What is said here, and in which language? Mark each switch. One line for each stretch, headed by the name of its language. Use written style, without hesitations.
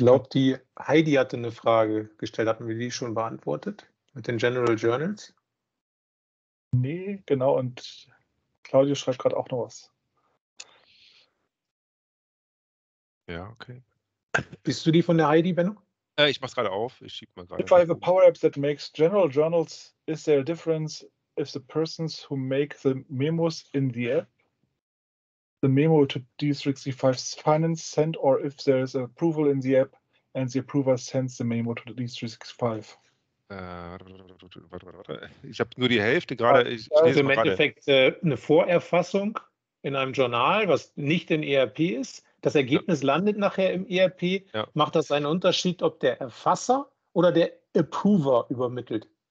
German: Ich glaube, die Heidi hatte eine Frage gestellt. Hatten wir die schon beantwortet mit den General Journals? Nee, genau. Und Claudio schreibt gerade auch noch was. Ja, okay. Bist du die von der Heidi, Benno? Ich mache es gerade auf, ich schiebe mal gerade.
English: If I have a power app that makes general journals, is there a difference if the persons who make the memos in the app, the memo to D365's finance send, or if there's an approval in the app and the approver sends the memo to the D365?
German: Warte. Ich habe nur die Hälfte gerade. Also im Endeffekt eine Vorerfassung in einem Journal, was nicht in ERP ist. Das Ergebnis landet nachher im ERP. Ja. Macht das einen Unterschied, ob der Erfasser oder der Approver übermittelt?